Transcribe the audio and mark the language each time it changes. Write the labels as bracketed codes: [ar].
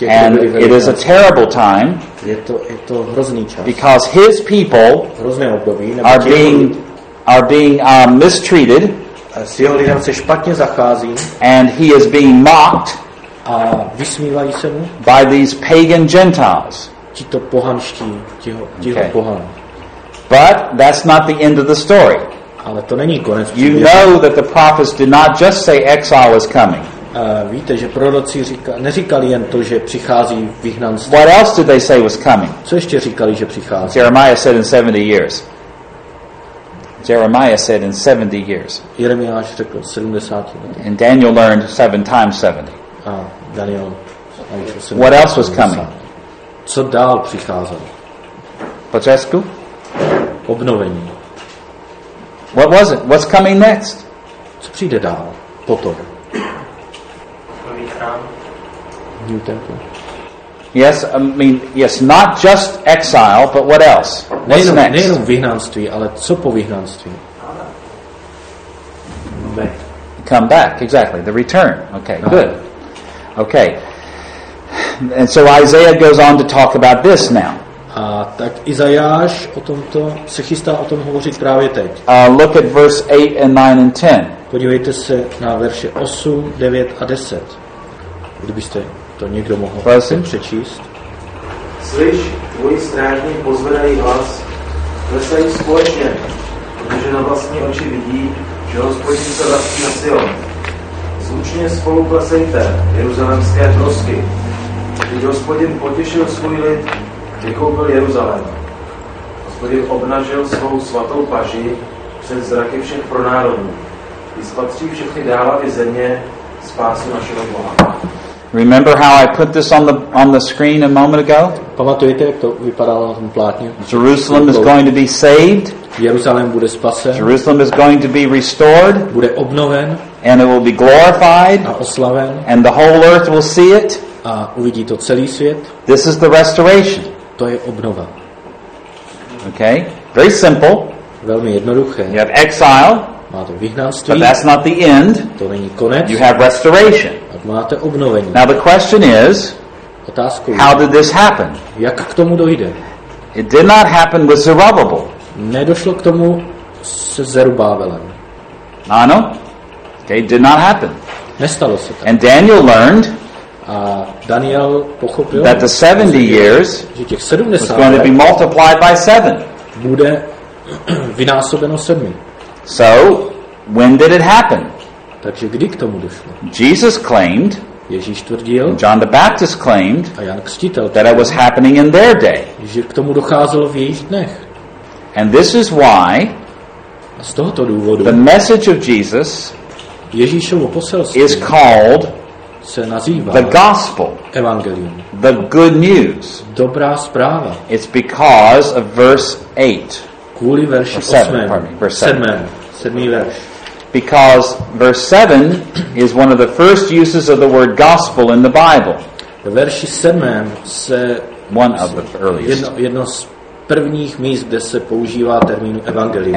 [en] And it is a terrible time. [cs] Je to hrozný čas. [en] Because his people are being mistreated. [cs] S jeho lidem se špatně zachází. [en] And he is being mocked. [cs] a vysmívají se mu. [en] By these pagan Gentiles. [cs] Tito pohanští, tyho pohan. [en] But that's not the end of the story. [cs] Ale to není konec. [en] You know that the prophets did not just say exile is coming. [cs] Víte, že proroci neříkali jen to, že přichází vyhnanství. [en] What else did they say was coming? [cs] Co ještě říkali, že přichází? [en] Jeremiah said in 70 years. Jeremiah said in 70 years. [cs] Jeremiáš řekl 70 let. [en] And Daniel learned 7 times 70. [cs] A Daniel. [en] What else was coming? [cs] Co dál přicházelo? Počesku? Obnovení. [en] What was it? What's coming next? [cs] Co přijde dál? Potom. [en] New temple. Yes, I mean, yes, not just exile, but what else? What's next? [cs] Nejenom vyhnanství, ale co po vyhnanství? [en] Come back, exactly, the return. Okay, good. Okay. And so Isaiah goes on to talk about this now. [cs] A tak Izajáš o tomto se chystá o tom hovořit právě teď. [en] Look at verse 8 and 9 and 10. [cs] Podívejte se na verše 8, 9 a 10. Kdybyste to někdo mohl přečíst. Slyš, tvoji strážní pozvedají hlas, klesají společně, protože na vlastní oči vidí, že Hospodin se vrací na Sion. Zvučně spolu klesejte, jeruzalemské trosky, když Hospodin potěšil svůj lid, vykoupil Jeruzalém. Hospodin obnažil svou svatou paži před zraky všech pronárodů, i spatří všechny dávaty země spásu našeho Boha. [en] Remember how I put this on the screen a moment ago? [cs] Pamatujete, jak to vypadalo na tom plátně? [en] Jerusalem is going to be saved. [cs] Jeruzalém bude spasen. [en] Jerusalem is going to be restored. [cs] Bude obnoven. [en] And it will be glorified. [cs] A oslaven. [en] And the whole earth will see it. [cs] A uvidí to celý svět. [en] This is the restoration. [cs] To je obnova. [en] Okay? Very simple. [cs] Velmi jednoduché. [en] You have exile. [cs] Máte vyhnanství. [en] But that's not the end. [cs] To není konec. [en] You have restoration. [cs] Máte obnovení. [en] Now the question is, [cs] otázku je, [en] how did this happen? [cs] Jak k tomu dojde? [en] It did not happen with Zerubbabel. [cs] Nedošlo k tomu se Zerubábelem. Ano? [en] Okay, did not happen. [cs] Nestalo se tak. [en] And Daniel learned, [cs] a Daniel pochopil, [en] that the 70 years, [cs] že těch 70 [en] was going to be multiplied by 7. [cs] Bude vynásobeno 7. [en] So, when did it happen? [cs] Takže kdy k tomu došlo? [en] Jesus claimed, [cs] Ježíš tvrdil, [en] John the Baptist claimed, [cs] a Jan Křtitel, [en] that it was happening in their day. [cs] Že k tomu docházelo v jejich dnech. [en] And this is why, [cs] a z tohoto důvodu, [en] the message of Jesus, [cs] Ježíšovo poselství, [en] is called, [cs] se nazývá, [en] the gospel, [cs] evangelium, [en] the good news. [cs] Dobrá zpráva. [en] It's because of verse 8. [cs] Kvůli verši 7, 8. [en] Pardon, verse 7. [cs] 7. 7. verš. [en] Because verse 7 is one of the first uses of the word gospel in the Bible. [cs] Ve verši 7 se [en] one of the earliest. [cs] Jedno z prvních míst, kde se používá termín evangelium.